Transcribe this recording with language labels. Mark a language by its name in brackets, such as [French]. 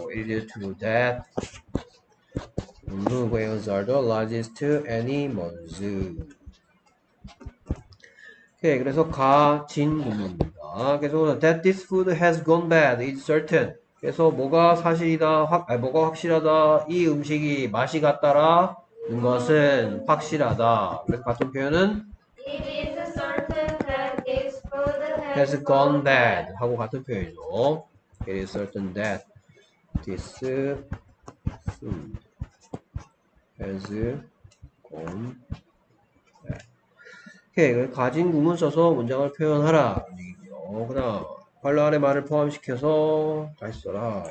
[English] It is true that blue whales are the largest animals. [Korean] 오케이. 그래서 가, 진, 구문입니다. 계속해서 [English] that this food has gone bad is certain. [Korean] 그래서 뭐가 사실이다, 뭐가 확실하다, 이 음식이 맛이 갔다라 는 것은 확실하다. 그래서 같은 표현은 [English] It is certain that this food has gone bad [Korean] 하고 같은 표현이죠. [English] It is certain that this food has gone bad. [Korean] 오케이. 가진 구문 써서 문장을 표현하라. 그 다음 발로 아래 말을 포함시켜서 다시 써라.